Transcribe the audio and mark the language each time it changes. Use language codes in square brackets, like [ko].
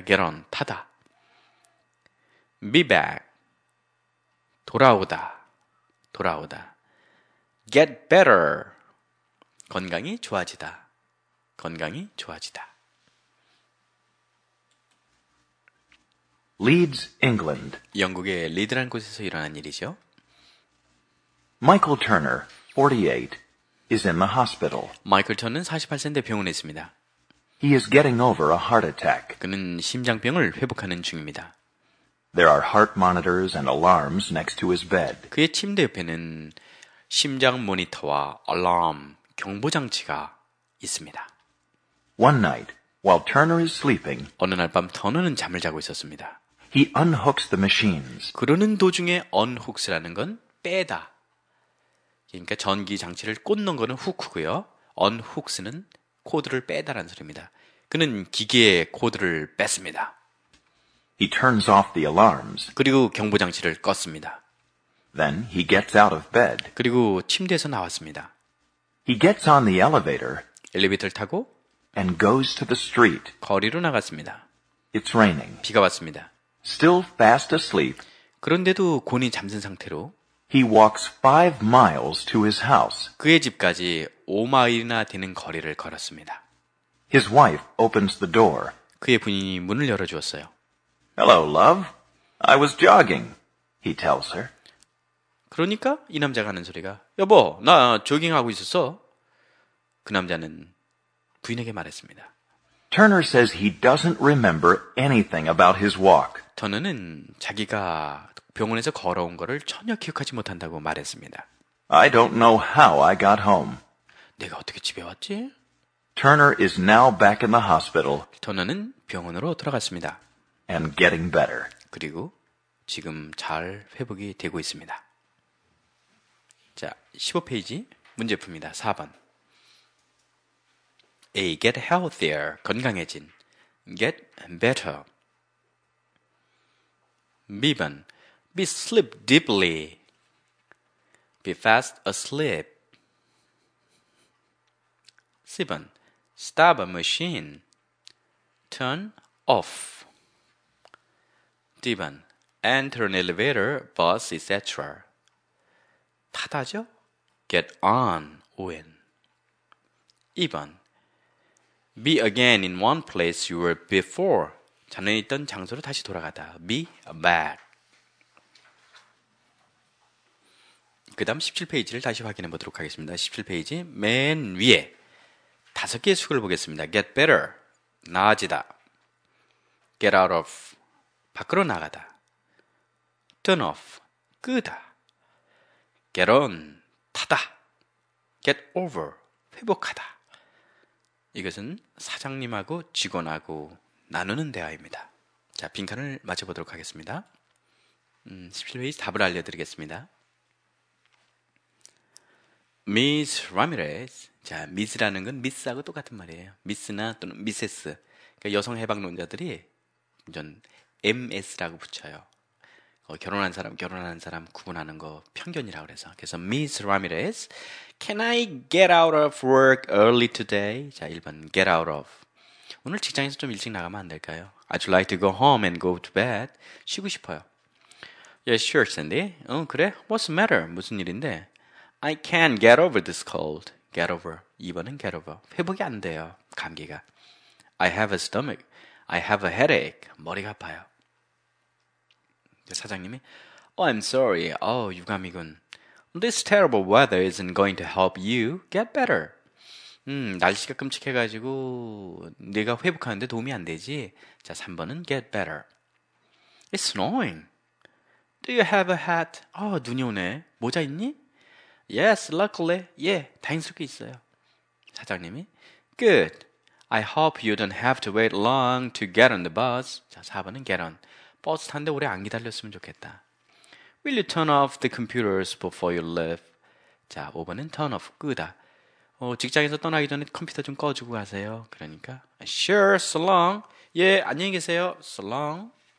[en] Get on. 타다. Be back. [ko] 돌아오다. 돌아오다. [en] Get better. [ko] 건강이 좋아지다. 건강이 좋아지다. [en] Leeds, England. [ko] 영국의 리드라는 곳에서 일어난 일이죠. [en] Michael Turner, 48, is in the hospital. [ko] 마이클 터너는 48세인데 병원에 있습니다. [en] He is getting over a heart attack. [ko] 그는 심장병을 회복하는 중입니다. [en] There are heart monitors and alarms next to his bed. [ko] 그의 침대 옆에는 심장 모니터와 alarm, 경보 장치가 있습니다. [en] One night, while Turner is sleeping, [ko] 어느 날 밤 터너는 잠을 자고 있었습니다. [en] He unhooks the machines. [ko] 그러는 도중에 unhooks라는 건 빼다. 그러니까 전기 장치를 꽂는 거는 hook고요. unhooks는 코드를 빼다라는 소리입니다. 그는 기계의 코드를 뺐습니다. [en] He turns off the alarms. [ko] 그리고 경보 장치를 껐습니다. [en] Then he gets out of bed. [ko] 그리고 침대에서 나왔습니다. [en] He gets on the elevator. [ko] 엘리베이터를 타고 [en] and goes to the street. [ko] 거리로 나갔습니다. [en] It's raining. [ko] 비가 왔습니다. [en] Still fast asleep. [ko] 그런데도 곤히 잠든 상태로 [en] He walks 5 miles to his house. [ko] 그의 집까지 5마일이나 되는 거리를 걸었습니다. [en] His wife opens the door. 그의 부인이 문을 열어 주었어요. Hello, love. I was jogging, he tells her. [ko] 그러니까 이 남자가 하는 소리가 여보, 나 조깅하고 있었어. 그 남자는 부인에게 말했습니다. [en] Turner says he doesn't remember anything about his walk. [ko] 터너는 자기가 병원에서 걸어온 거를 전혀 기억하지 못한다고 말했습니다. [en] I don't know how I got home. [ko] 내가 어떻게 집에 왔지? [en] Turner is now back in the hospital. [ko] 터너는 병원으로 돌아갔습니다. [en] And getting better. [ko] 그리고 지금 잘 회복이 되고 있습니다. 자, 15페이지 문제풀이입니다. 4번. [en] A. Get healthier. 건강해진. Get better. B번. Be sleep deeply. Be fast asleep. C번. Stop a machine. Turn off. D번. Enter an elevator, bus, etc. 타다죠? Get on when. 2번. Be again in one place you were before. [ko] 전에 있던 장소로 다시 돌아가다. [en] Be back. [ko] 그 다음 17페이지를 다시 확인해 보도록 하겠습니다. 17페이지 맨 위에 다섯 개의 축을 보겠습니다. [en] Get better. 나아지다. Get out of. 밖으로 나가다. Turn off. 끄다. Get on. 타다. Get over. 회복하다. [ko] 이것은 사장님하고 직원하고 나누는 대화입니다. 자, 빈칸을 맞춰보도록 하겠습니다. 17페이지 답을 알려드리겠습니다. [en] Miss Ramirez. [ko] 자, Miss라는 건 Miss하고 똑같은 말이에요. Miss나 또는 Mrs. 그러니까 여성 해방론자들이 전 MS라고 붙여요. 결혼한 사람, 결혼하는 사람 구분하는 거 편견이라고 해서. [en] 그래서 Miss Ramirez, Can I get out of work early today? 자, 1번 get out of. [ko] 오늘 직장에서 좀 일찍 나가면 안 될까요? [en] I'd like to go home and go to bed. [ko] 쉬고 싶어요. [en] Yes, yeah, sure, Sandy. [ko] 응, 그래? [en] What's the matter? [ko] 무슨 일인데? [en] I can't get over this cold. Get over. 2번은 get over. [ko] 회복이 안 돼요, 감기가. [en] I have a stomach. I have a headache. [ko] 머리가 아파요. [en] 사장님이 Oh, I'm sorry. [ko] Oh, 유감이군. [en] This terrible weather isn't going to help you get better. [ko] 날씨가 끔찍해가지고 내가 회복하는데 도움이 안 되지. 자, 3번은 [en] get better. It's snowing. Do you have a hat? [ko] 눈이 오네. 모자 있니? [en] Yes, luckily. [ko] 예, 다행스럽게 있어요. 사장님이 Good. [en] I hope you don't have to wait long to get on the bus. [ko] 자, 4번은 [en] get on. [ko] 버스 탄데 오래 안 기다렸으면 좋겠다. [en] Will you turn off the computers before you leave? [ko] 자, 5번은 turn off, 끄다. 직장에서 떠나기 전에 컴퓨터 좀 꺼주고 가세요. 그러니까 [en] Sure, so long. [ko] 예, 안녕히 계세요. [en] So long.